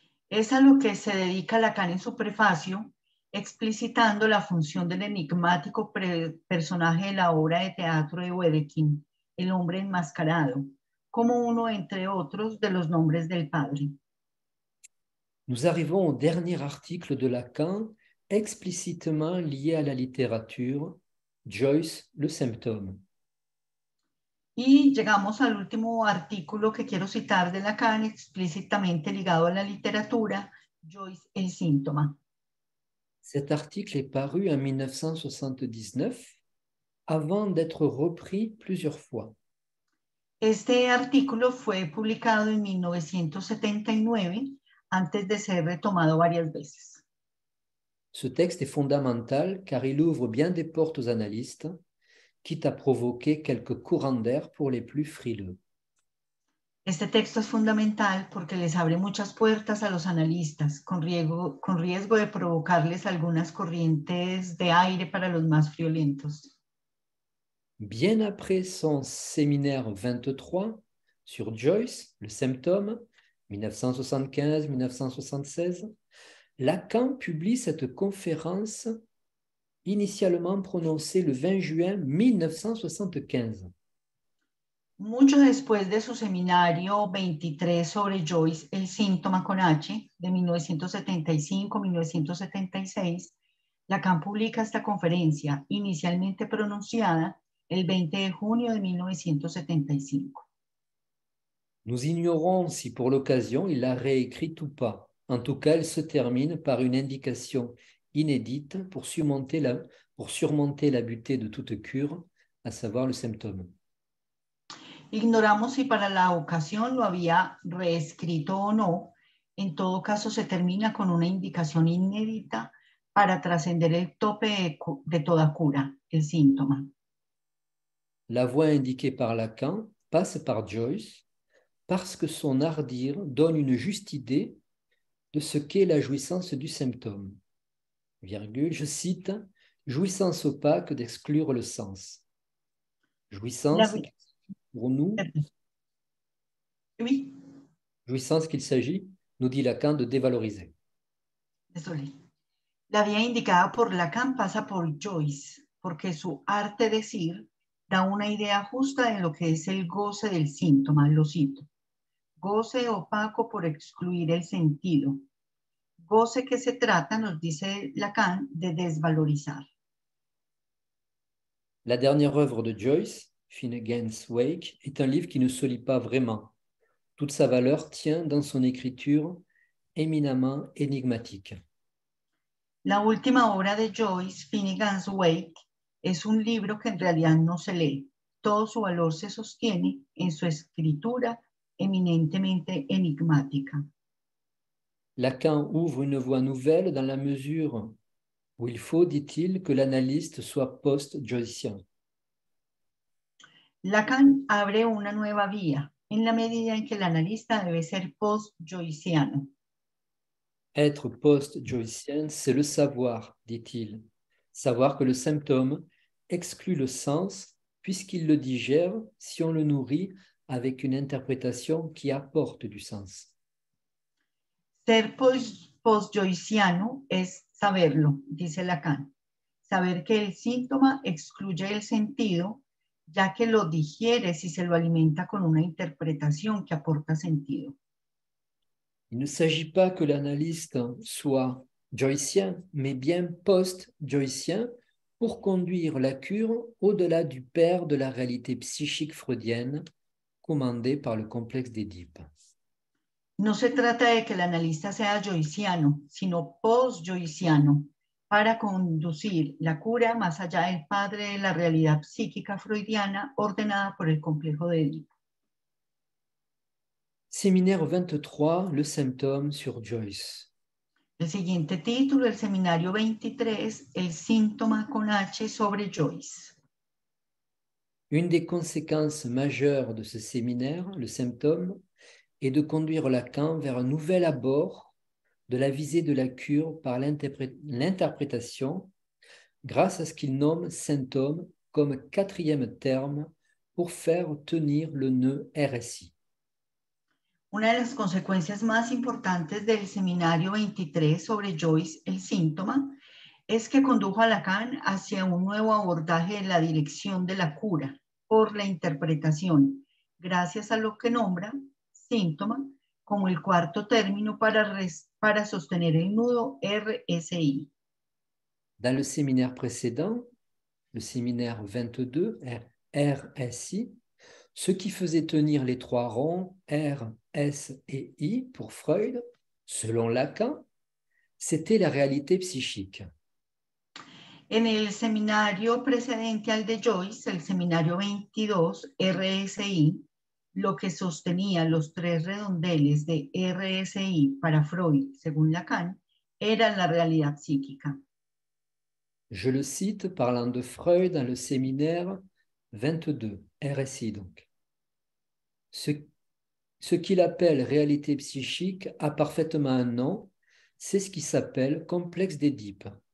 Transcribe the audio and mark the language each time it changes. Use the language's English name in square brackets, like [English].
[Spanish] Es a lo que se dedica Lacan en su prefacio, explicitando la función del enigmático personaje de la obra de teatro de Wedekind, el hombre enmascarado, como uno entre otros de los nombres del padre. [French] Nous arrivons au dernier article de Lacan explicitement lié à la littérature, Joyce, le symptôme. [Spanish] Y llegamos al último artículo que quiero citar de Lacan, explícitamente ligado a la literatura, Joyce, el síntoma. [French] Cet article est paru en 1979, avant d'être repris plusieurs fois. [Spanish] Este artículo fue publicado en 1979, antes de ser retomado varias veces. [French] Ce texte est fondamental car il ouvre bien des portes aux analystes, quitte à provoquer quelques courants d'air pour les plus frileux. [Spanish] Este texto es fundamental porque les abre muchas puertas a los analistas, con riesgo de provocarles algunas corrientes de aire para los más friolentos. [French] Bien après son séminaire 23 sur Joyce, le symptôme, 1975-1976, Lacan publie cette conférence initialement prononcée le 20 juin 1975. [Spanish] Mucho después de su seminario 23 sobre Joyce, el síntoma con H, de 1975-1976, Lacan publica esta conferencia inicialmente pronunciada el 20 de junio de 1975. [French] Nous ignorons si pour l'occasion il l'a réécrite ou pas. En tout cas, elle se termine par une indication inédite pour surmonter la butée de toute cure, à savoir le symptôme. [Spanish] Ignoramos si para la ocasión lo había reescrito o no. En todo caso, se termina con una indicación inédita para trascender el tope de toda cura, el síntoma. [French] La voie indiquée par Lacan passe par Joyce parce que son ardir donne une juste idée de ce qu'est la jouissance du symptôme. Virgule, je cite, jouissance opaque d'exclure le sens. Jouissance. Pour nous, oui. Jouissance qu'il s'agit, nous dit Lacan, de dévaloriser. Désolé. [Spanish] La vía indicada por Lacan pasa por Joyce, porque su arte decir da una idea justa de lo que es el goce del síntoma, lo cito. Goce opaco por excluir el sentido. Goce que se trata, nos dice Lacan, de desvalorizar. [French] La dernière œuvre de Joyce, Finnegan's Wake, est un livre qui ne se lit pas vraiment. Toute sa valeur tient dans son écriture éminemment énigmatique. [Spanish] La última obra de Joyce, Finnegan's Wake, es un libro que en realidad no se lee. Todo su valor se sostiene en su escritura [French] éminemment énigmatique. Lacan ouvre une voie nouvelle dans la mesure où il faut, dit-il, que l'analyste soit post-Joycien. [Spanish] Lacan abre una nueva vía en la medida en que el analista debe ser post-Joyciano. [French] Être post-Joycien, c'est le savoir, dit-il. Savoir que le symptôme exclut le sens puisqu'il le digère si on le nourrit avec une interprétation qui apporte du sens. [Spanish] Ser post-joyciano es saberlo, dice Lacan. Saber que el síntoma excluye el sentido, ya que lo digiere si se lo alimenta con una interpretación que aporta sentido. [French] Il ne s'agit pas que l'analyste soit joycien, mais bien post-joycien pour conduire la cure au-delà du père de la réalité psychique freudienne, commandé par le complexe d'Édipe. [Spanish] No se trata de que el analista sea joyciano, sino post-joyciano, para conducir la cura más allá del padre de la realidad psíquica freudiana ordenada por el complejo de Édipo. [French] Séminaire 23, le symptôme sur Joyce. [Spanish] El siguiente título, el seminario 23, el síntoma con H sobre Joyce. [French] Une des conséquences majeures de ce séminaire, le symptôme, est de conduire Lacan vers un nouvel abord de la visée de la cure par l'interprétation grâce à ce qu'il nomme symptôme comme quatrième terme pour faire tenir le nœud RSI. [Spanish] Una de las consecuencias más importantes del seminario 23 sobre Joyce, el síntoma, es que condujo a Lacan hacia un nuevo abordaje de la dirección de la cura por la interpretación, gracias a lo que nombra síntoma como el cuarto término para sostener el nudo RSI. [French] Dans le séminaire précédent, le séminaire 22, RSI, Ce qui faisait tenir les trois rangs, R, S et I, pour Freud, selon Lacan, c'était la réalité psychique. [Spanish] En el seminario precedente al de Joyce, el seminario 22, RSI, lo que sostenía los tres redondeles de RSI para Freud, según Lacan, era la realidad psíquica. [French] Je le cite parlant de Freud dans le séminaire 22, RSI donc. Ce qu'il appelle réalité psychique a parfaitement un nom, c'est ce qui s'appelle complexe d'Édipe.